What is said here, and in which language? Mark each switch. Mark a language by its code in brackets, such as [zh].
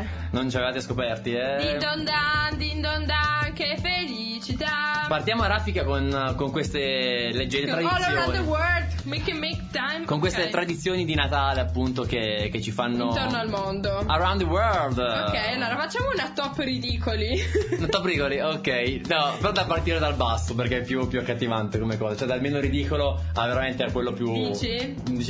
[it] Non ci avevate scoperti, eh? Din don dan, che felicità! Partiamo a raffica con queste leggere tradizioni. [en] All around the world, we can make time. [it] Con queste tradizioni di Natale, appunto, che ci fanno... Intorno al mondo. [en] Around the world. [it] Ok, allora facciamo una top ridicoli. Una top ridicoli, ok. No, però da partire dal basso, perché è più accattivante come cosa. Cioè, dal meno ridicolo a veramente a quello più... Dici